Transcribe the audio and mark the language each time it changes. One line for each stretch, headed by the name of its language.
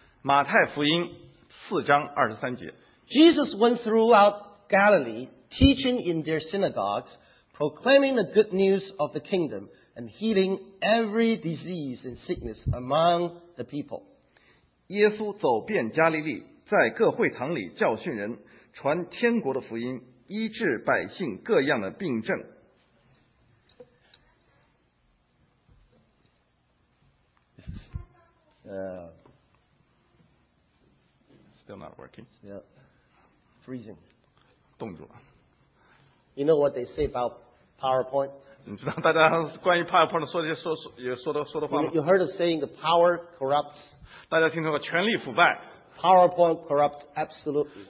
Chinese: 马太福音四章二十三节。
English: Jesus went throughout Galilee, teaching in their synagogues, proclaiming the good news of the kingdom, and healing every disease and sickness among the people.
Chinese: 耶稣走遍加利利，在各会堂里教训人，传天国的福音，医治百姓各样的病症。
English: Still not working. Yeah. Freezing.
Chinese: 冻住了。
English: You know what they say about PowerPoint?
Chinese: 你知道大家关于 PowerPoint 说的话吗
English: ？You heard of saying the power corrupts.
Chinese: 大家听说过权力腐败。
English: PowerPoint corrupts absolutely.